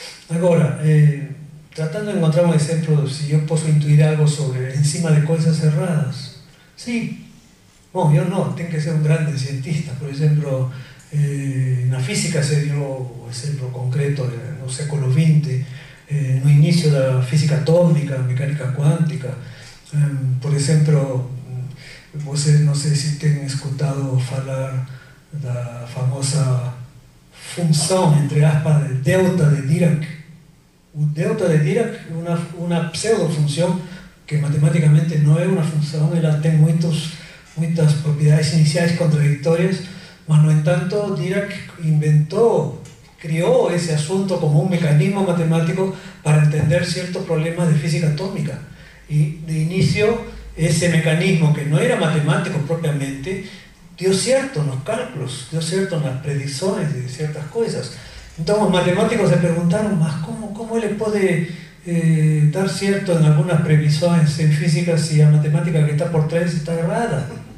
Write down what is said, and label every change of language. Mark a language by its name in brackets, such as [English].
[Spanish] Ahora, tratando de encontrar un ejemplo de si yo puedo intuir algo sobre encima de cosas cerradas, sí, bueno, yo no, tengo que ser un gran cientista, por ejemplo, en la física se dio un ejemplo concreto en el siglo XX, [Portuguese] no inicio [Spanish] de la física atómica, mecánica cuántica, por ejemplo, [Portuguese] vocês não sei se têm escutado falar da famosa função, entre aspas, de delta de Dirac. O delta de Dirac é uma pseudo-função que matematicamente não é uma função, ela tem muitas propriedades iniciais contraditórias, mas, no entanto, Dirac inventou, criou esse assunto como um mecanismo matemático para entender certos problemas de física atômica. E, de início, [Spanish] ese mecanismo que no era matemático propiamente dio cierto en los cálculos, dio cierto en las predicciones de ciertas cosas. Entonces los matemáticos se preguntaron, ¿más cómo le puede dar cierto en algunas previsiones en física si la matemática que está por tres está errada?